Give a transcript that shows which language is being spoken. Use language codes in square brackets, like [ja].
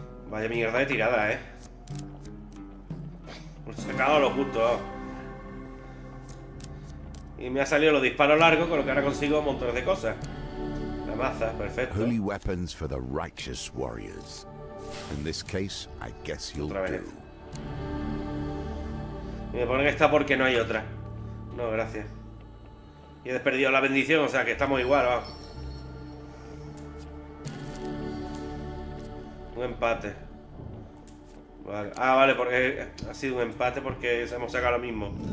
[es] Vaya mierda de tirada, eh. Me he sacado lo justo. Y me ha salido los disparos largos, con lo que ahora consigo montones de cosas. La maza, perfecto. [en] Holy weapons for the righteous warriors. In this case, I guess you'll do. [es] Y me ponen esta porque no hay otra. No, gracias. Y he desperdiciado la bendición, o sea que estamos igual, vamos. Un empate. Vale. Ah, vale, porque ha sido un empate porque hemos sacado lo mismo.